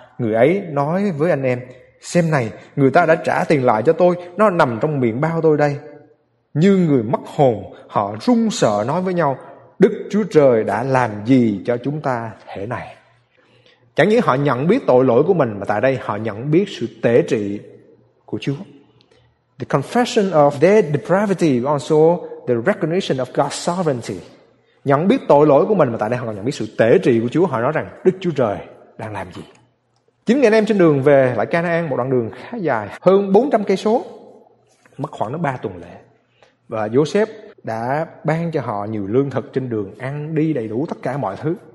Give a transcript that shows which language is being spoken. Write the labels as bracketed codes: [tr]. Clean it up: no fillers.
[vi] Người ấy nói với anh em, xem này, người ta đã trả tiền lại cho tôi, nó nằm trong miệng bao tôi đây. Như người mất hồn, họ run sợ nói với nhau, Đức Chúa Trời đã làm gì cho chúng ta thế này? Chẳng những họ nhận biết tội lỗi của mình, mà tại đây họ nhận biết sự tể trị của Chúa. [en] The confession of their depravity, also the recognition of God's sovereignty. [vi] Nhận biết tội lỗi của mình, mà tại đây họ nhận biết sự tể trị của Chúa. Họ nói rằng Đức Chúa Trời đang làm gì. 9 ngày đêm trên đường về lại Canaan, một đoạn đường khá dài, hơn 400 cây số, mất khoảng 3 tuần lễ. Và Joseph đã ban cho họ nhiều lương thực trên đường, ăn đi đầy đủ tất cả mọi thứ.